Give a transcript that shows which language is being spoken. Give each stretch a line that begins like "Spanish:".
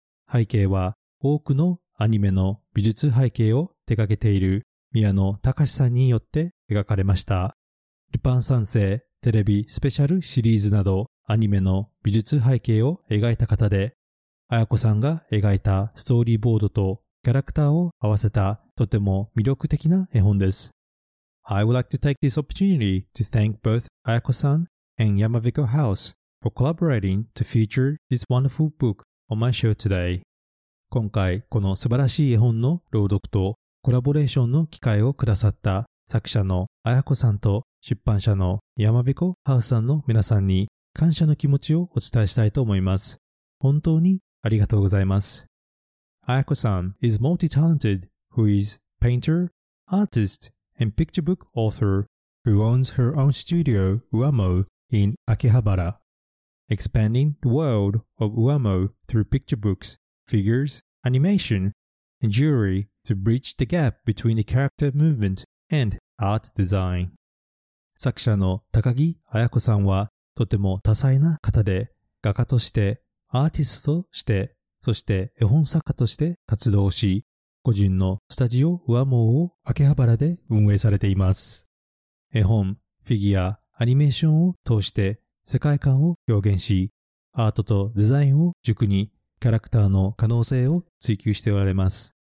Japanese: 背景は多くのアニメの美術背景を手掛けている宮野隆さんによって描かれました。ルパン三世テレビスペシャルシリーズなどアニメの美術背景を描いた方で、あやこさんが描いたストーリーボードとキャラクターを合わせたとても魅力的な絵本です。
English: I would like to take this opportunity to thank both あやこさんAnd Yamaviko House for collaborating to feature this wonderful book on my show today.
Japanese: 今回この素晴らしい絵本の朗読とコラボレーションの機会をくださった作者のあやこさんと出版社の Yamaviko House さんの皆さんに感謝の気持ちをお伝えしたいと思います。本当にありがとうございます。
English: Ayako-san is multi-talented who is painter, artist, and picture book author. Who owns her own studio, Uamo, in Akihabara. Expanding the world of Uamo through picture books, figures, animation, and jewelry to bridge the gap between the character movement and art design.
Japanese: 作者の高木あやこさんはとても多彩な方で、画家として、アーティストとして、そして絵本作家として活動し、個人のスタジオ Uamo を秋葉原で運営されています。絵本、フィギュア、アニメーションを通して世界観を表現し、アートとデザインを軸にキャラクターの可能性を追求しておられます。